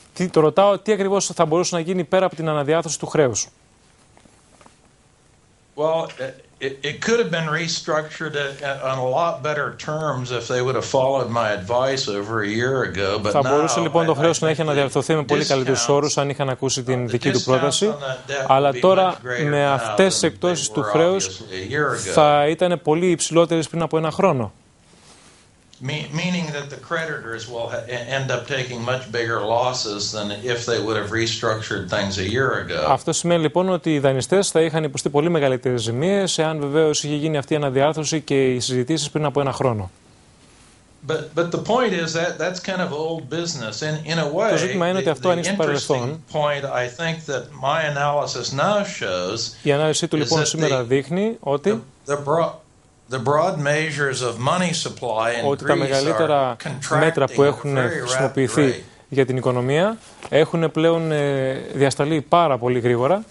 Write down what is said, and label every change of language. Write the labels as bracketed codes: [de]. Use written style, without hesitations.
[el] Το ρωτάω τι ακριβώς θα μπορούσε να γίνει πέρα από την αναδιάθεση του χρέους. [en] Well, it could have been restructured on a lot better terms if they would have followed my advice over a year ago. [el] Θα μπορούσε λοιπόν το χρέος να έχει αναδιαρθρωθεί με πολύ καλύτερους όρους αν είχαν ακούσει την δική του πρόταση. Αλλά τώρα με αυτές τις εκπτώσεις του χρέους θα ήταν πολύ υψηλότερες πριν από ένα χρόνο. [en] Meaning that the creditors will end up taking much bigger losses than if they would have restructured things a year ago. [el] Αυτό σημαίνει λοιπόν ότι οι δανειστές θα είχαν υποστεί πολύ μεγαλύτερες ζημίες εάν βεβαίως είχε γίνει αυτή η αναδιάρθρωση και οι συζητήσεις πριν από ένα χρόνο. [en] But the point is that that's kind of old business. In a way, [el] το ζήτημα είναι ότι αυτό είναι στο παρελθόν. [en] Point I think that my analysis now shows. [el] Η ανάλυση του λοιπόν σήμερα δείχνει ότι. [en] The broad measures of money supply in Greece [el] ότι τα μεγαλύτερα μέτρα που έχουν χρησιμοποιηθεί για την οικονομία έχουν πλέον διασταλεί πάρα πολύ γρήγορα.